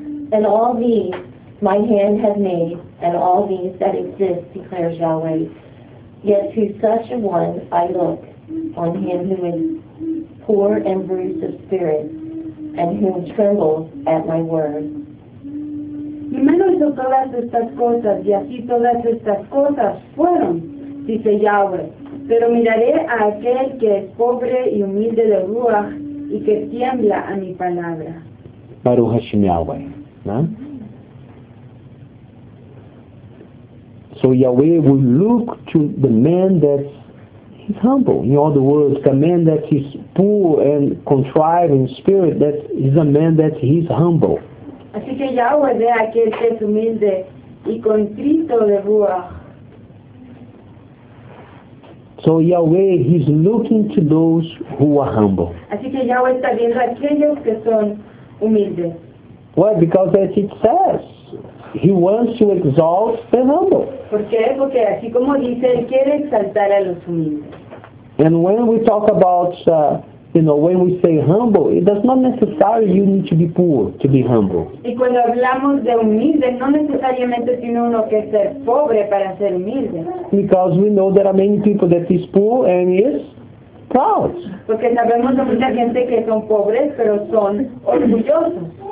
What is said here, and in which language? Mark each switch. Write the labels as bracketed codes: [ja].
[en] And all these my hand has made, and all these that exist, declares Yahweh. Yet to such a one I look, on him who is poor and bruised of spirit, and who trembles at my word. [es] Primero hizo todas estas cosas, y así todas estas cosas fueron, dice Yahweh. Pero miraré a aquel que es pobre y humilde de ruach, y que tiembla a mi palabra. [he] Baruch Hashem Yahweh. [en] So Yahweh will look to the man that is humble. In other words, the man that is poor and contrived in spirit, that is a man that is humble. [es] Así que Yahweh ve a aquel que es humilde y contrito de ruach. [en] So Yahweh, he's looking to those who are humble. [es] Así que Yahweh está viendo a aquellos que son humildes. [en] Why? Because as it says, he wants to exalt the humble. [es] ¿Por qué? Porque así como dice, él quiere exaltar a los humildes. [en] And when we talk about, when we say humble, it does not necessarily you need to be poor to be humble. [es] Y cuando hablamos de humilde, no necesariamente tiene uno que ser pobre para ser humilde. [en] Because we know there are many people that is poor and is proud. [es] Porque sabemos de mucha gente que son pobres, pero son orgullosos.